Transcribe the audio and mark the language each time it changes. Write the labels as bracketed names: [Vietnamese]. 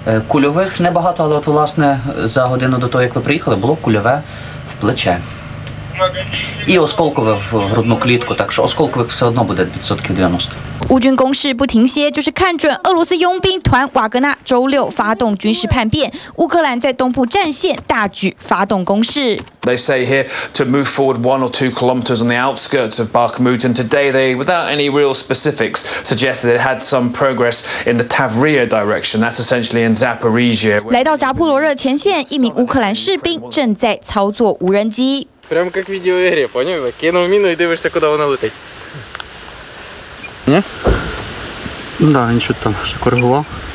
[Ukrainian] Кульових небагато, але от власне за годину до того, як ви приїхали, було кульове в плече. І осколкове в грудну клітку, так що осколкове все одно буде 90%. [Chinese] 乌军攻势不停歇，就是看准俄罗斯佣兵团瓦格纳周六发动军事叛变，乌克兰在东部战线大举发动攻势。 [English] They say here to move forward 1 or 2 kilometers on the outskirts of Bakhmut, and today they, without any real specifics, suggested it had some progress in the Tavria direction. That's essentially in Zaporizhia. [Chinese] 来到扎波罗热前线，一名乌克兰士兵正在操作无人机。 [Russian] Прямо как в видеоигре, понял? Кинул мину и [Ukrainian] дивишься, куда вона летить. Не? Ну да, він щось там коригував.